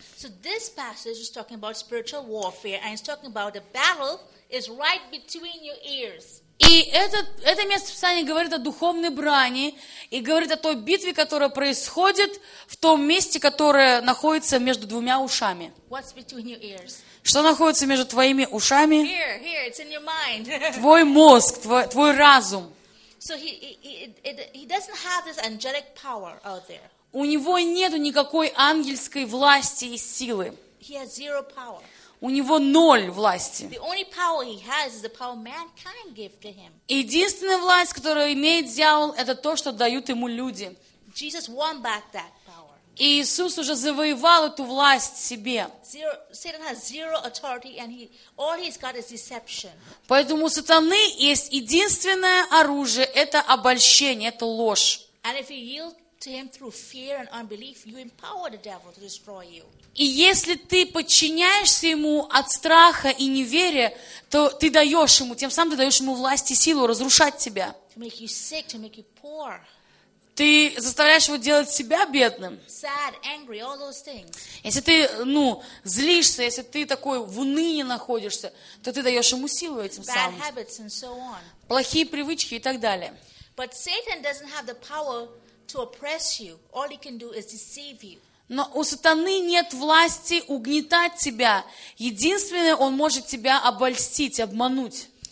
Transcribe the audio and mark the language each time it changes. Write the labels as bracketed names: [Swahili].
[English] So this passage is talking about spiritual warfare, and it's talking about the battle is right between your ears. [Russian] И это место Писания говорит о духовной брани и говорит о той битве, которая происходит в том месте, которое находится между двумя ушами. [English] What's between your ears? [Russian] Что находится между твоими ушами? [English] Here, here, it's in your mind. [Russian] Твой мозг, твой разум. [English] So he doesn't have this angelic power out there. [Russian] У него нету никакой ангельской власти и силы. [English] He has zero power. [Russian] У него ноль власти. [English] The only power he has is the power mankind give to him. [Russian] Единственная власть, которую имеет дьявол, это то, что дают ему люди. [English] Jesus won back that power. [Russian] И Иисус уже завоевал эту власть себе. [English] Zero, Satan has zero authority and all he's got is deception. [Russian] Поэтому у сатаны есть единственное оружие, это обольщение, это ложь. [English] And if you yield to him through fear and unbelief, you empower the devil to destroy you. [Russian] И если ты подчиняешься ему от страха и неверия, то ты даешь ему, тем самым ты даешь ему власть и силу разрушать тебя. [English] To make you sick, to make you poor. [Russian] Ты заставляешь его делать себя бедным. [English] Sad, angry, all those things. [Russian] Если ты, ну, злишься, если ты такой в унынии находишься, то ты даешь ему силу этим самым. [English] Bad habits and so on. [Russian] Плохие привычки и так далее. [English] But Satan doesn't have the power to oppress you. All he can do is deceive you. [Russian] Но у сатаны нет власти угнетать тебя. Единственное, он может тебя обольстить, обмануть.